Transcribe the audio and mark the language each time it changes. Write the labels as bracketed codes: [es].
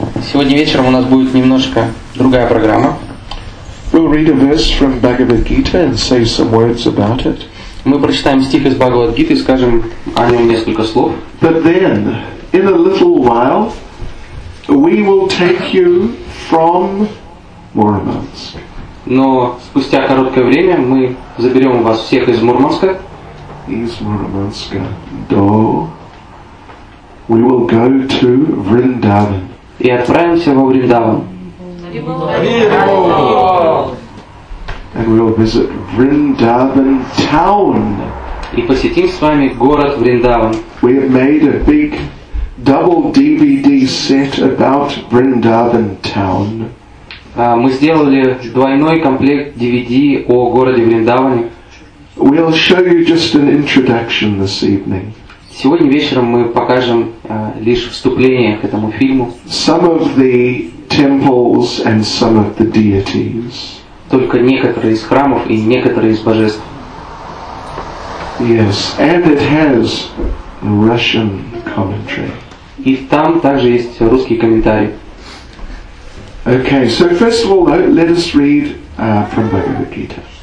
[ru] Сегодня вечером у нас будет немножко другая программа. [en] We'll read a verse from Bhagavad Gita and say some words about it. [ru] Мы прочитаем стих из Бхагавад Гиты и скажем о нем несколько слов. [en] But then, in a little while, we will take you from Мурманск. [ru] Но спустя короткое время мы заберем вас всех из Мурманска. Из Мурманска до. [en] We will go to Vrindavan. [ru] И отправимся во Вриндаван. [en] And we will visit Vrindavan town. [ru] И посетим с вами город Вриндаван. [en] We have made a big double DVD set about Vrindavan town. [ru] Мы сделали двойной комплект DVD о городе Вриндаване. [en] We'll show you just an introduction this evening. [ru] Сегодня вечером мы покажем лишь вступление к этому фильму. [en] Some of the temples and some of the deities. [ru] Только некоторые из храмов и некоторые из божеств. [en] Yes, and it has Russian commentary. [ru] И там также есть русский комментарий. [en] Okay, so first of all, let us read from Bhagavad Gita.